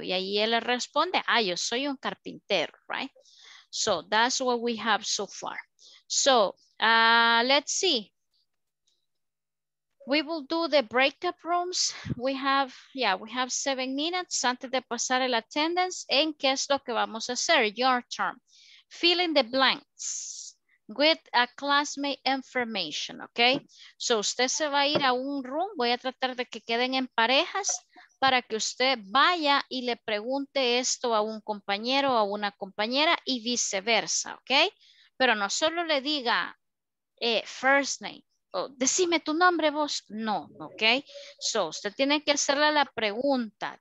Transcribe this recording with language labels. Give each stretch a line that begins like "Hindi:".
Spanish: Y ahí él le responde, ah, yo soy un carpintero, right?
English: So, that's what we have so far. So, let's see. We will do the breakup rooms. We have, yeah, we have 7 minutes
Spanish: antes de pasar el
English: attendance.
Spanish: ¿En qué es lo que vamos a hacer?
English: Your turn. Fill in the blanks with a classmate information, okay?
Spanish: So usted se va a ir a un room. Voy a tratar de que queden en parejas para que usted vaya y le pregunte esto a un compañero o a una compañera y viceversa, okay? Pero no solo le diga first name. Oh, decime tu nombre vos. No, ok. So, usted tiene que hacerle la pregunta.